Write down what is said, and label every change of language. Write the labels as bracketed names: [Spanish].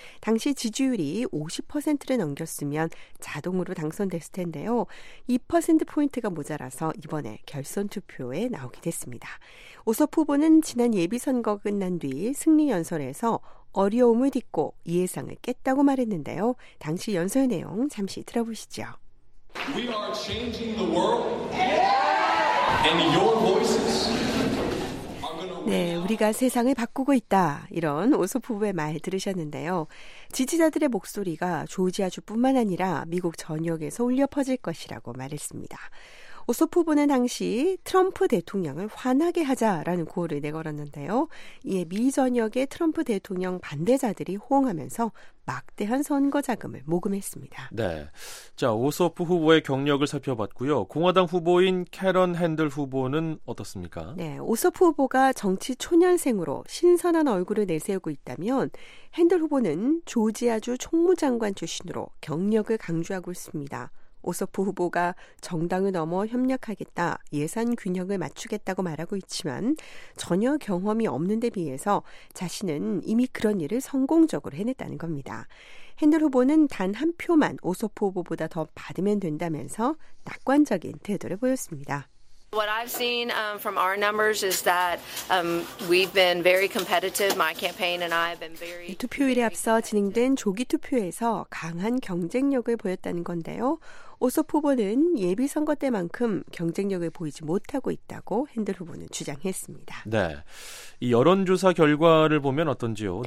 [Korean] 당시 지지율이 50%를 넘겼으면 자동으로 당선됐을 텐데요. 2%포인트가 모자라서 이번에 결선 투표에 나오게 됐습니다. 오소프 후보는 지난 예비선거 끝난 뒤 승리 연설에서 어려움을 딛고 예상을 깼다고 말했는데요. 당시 연설 내용 잠시 들어보시죠. [English] We are changing the world. And your voices are going to [Korean] 네, 우리가 세상을 바꾸고 있다. 이런 오소프부의 말 들으셨는데요. 지지자들의 목소리가 조지아주뿐만 아니라 미국 전역에서 울려 퍼질 것이라고 말했습니다. 오소프부는 당시 트럼프 대통령을 화나게 하자라는 구호를 내걸었는데요. 이에 미 전역의 트럼프 대통령 반대자들이 호응하면서 막대한 선거 자금을 모금했습니다. 네. 자, 오소프 후보의 경력을 살펴봤고요. 공화당 후보인 캐런 핸들 후보는 어떻습니까? 네. 오소프 후보가 정치 초년생으로 신선한 얼굴을 내세우고 있다면 핸들 후보는 조지아주 총무장관 출신으로 경력을 강조하고 있습니다. 오소프 후보가 정당을 넘어 협력하겠다, 예산 균형을 맞추겠다고 말하고 있지만 전혀 경험이 없는 데 비해서 자신은 이미 그런 일을 성공적으로 해냈다는 겁니다. 핸들 후보는 단 한 표만 오소프 후보보다 더 받으면 된다면서 낙관적인 태도를 보였습니다. [English] What I've seen from our numbers is that we've been very competitive. My campaign and I have been very. [Korean] 투표일에 앞서 진행된 조기 투표에서 강한 경쟁력을 보였다는 건데요. 오소프 후보는 예비 선거 때만큼 경쟁력을 보이지 못하고 있다고 핸들 후보는 주장했습니다. 네, 이 여론조사 결과를 보면 어떤지요?